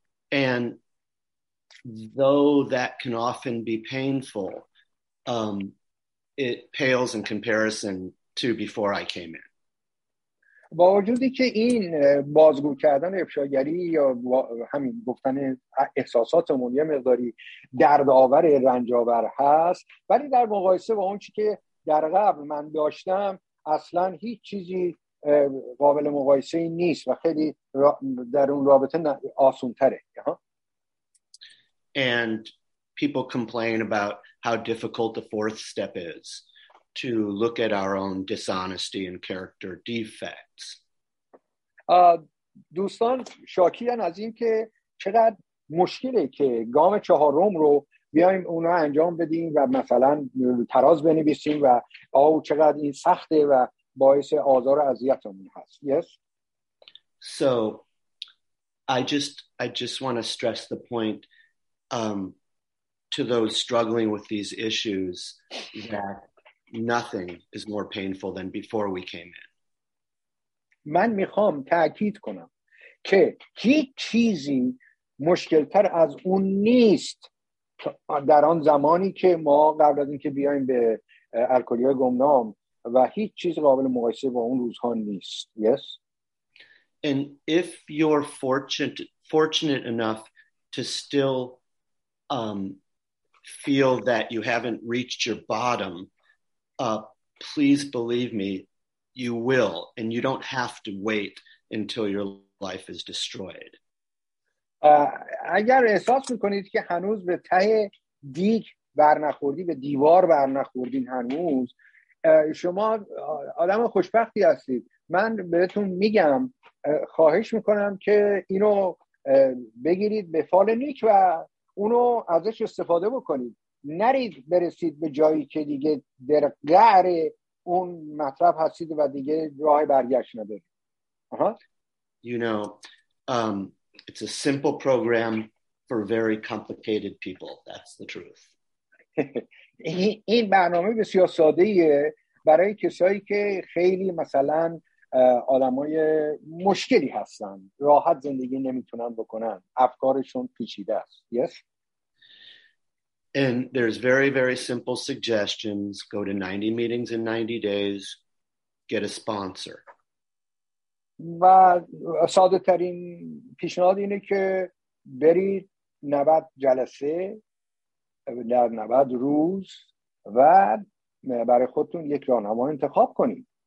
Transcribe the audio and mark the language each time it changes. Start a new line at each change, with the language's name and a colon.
English: And though that can often be painful, it pales in comparison to before I came in.
Persian: با وجودی که این بازگو کردن افشاگری یا همین گفتن احساساتمون یه مقداری دردآور، رنجآور هست، ولی در مقایسه با اون چیزی که در قبل من داشتم اصلا هیچ چیزی قابل مقایسه ای نیست و خیلی در اون رابطه آسان تره.
English: And people complain about how difficult the fourth step is to look at our own dishonesty and character defects.
Persian: دوستان شاکیان از این که چقدر مشکله که گام چهارم رو بیایم اونا انجام بدیم و مثلا تراز بنویسیم و آو چقدر این سخته و باعث آزار و اذیتمون هست.
English: Yes. So I just want to stress the point to those struggling with these issues that nothing is more painful than before we came in.
Persian: من میخوام تأکید کنم که هیچ چیزی مشکلتر از اون نیست در آن زمانی که ما قبل از اینکه بیایم به الکلی های گمنام، و هیچ چیز قابل مقایسه با اون روزها نیست.
English: Yes. And if you're fortunate enough to still feel that you haven't reached your bottom, please believe me, you will, and you don't have to wait until your life is destroyed.
Persian: اگر احساس میکنید که هنوز به ته دیگ برنخوردی، به دیوار برنخوردین هنوز، شما آدم خوشبختی هستید. من بهتون میگم، خواهش میکنم که اینو بگیرید به فال نیک و اونو ازش استفاده بکنید. نرید برسید به جایی که دیگه در قعر اون مطلب هستید و دیگه راه برگشت ندارید.
English: You know, it's a simple program for very complicated people. That's the truth.
Persian: این برنامه بسیار ساده ایه برای کسایی که خیلی مثلا آدمای مشکلی هستن، راحت زندگی نمیتونن بکنن، افکارشون پیچیده است.
English: Yes. And there's very, very simple suggestions. Go to 90 meetings in 90 days. Get a sponsor.
Persian: و ساده ترین پیشنهاد اینه که برید 90 جلسه در 90 روز و برای خودتون یک راهنما انتخاب کنید.